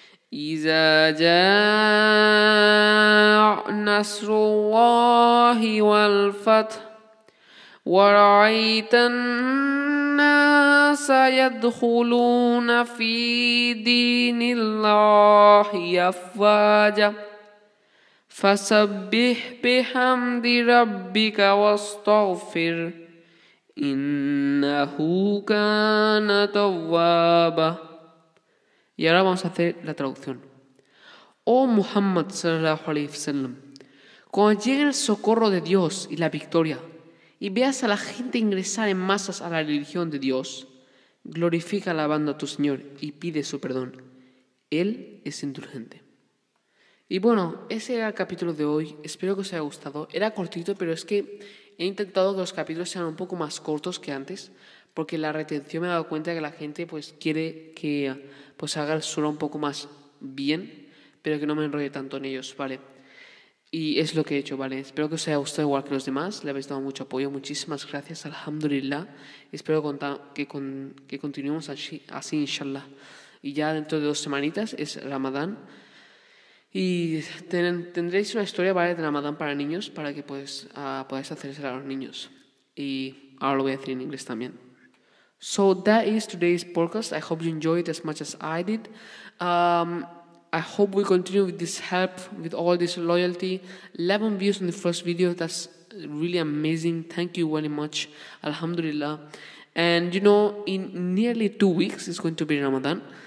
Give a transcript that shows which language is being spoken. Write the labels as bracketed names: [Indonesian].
[Arabic] Iza jaa nasrullahi wal fath wa ra'aytan سيدخلون في دين الله أفواجا فسبح بحمد ربك واستغفر إنه كان توابا. [Spanish] Y ahora vamos a hacer la traducción. Oh Muhammad sallallahu alayhi wa sallam, cuando llegue el socorro de Dios y la victoria y veas a la gente ingresar en masas a la religión de Dios, glorifica alabando a tu Señor y pide su perdón. Él es indulgente. Y bueno, ese era el capítulo de hoy. Espero que os haya gustado. Era cortito, pero es que he intentado que los capítulos sean un poco más cortos que antes, porque la retención me ha dado cuenta que la gente pues quiere que pues haga el surah un poco más bien, pero que no me enrolle tanto en ellos, ¿vale? Y es lo que he hecho, ¿vale? Espero que os haya gustado igual que los demás. Le habéis dado mucho apoyo. Muchísimas gracias, alhamdulillah. Espero que continuemos así, inshallah. Y ya dentro de dos semanitas es Ramadán. Y tendréis una historia, ¿vale?, de Ramadán para niños, para que podáis hacérsela a los niños. Y ahora lo voy a decir en inglés también. [English] So that is today's podcast. I hope you enjoyed it as much as I did. I hope we continue with this help, with all this loyalty. 11 views on the first video, that's really amazing. Thank you very much. Alhamdulillah. And you know, in nearly 2 weeks, it's going to be Ramadan.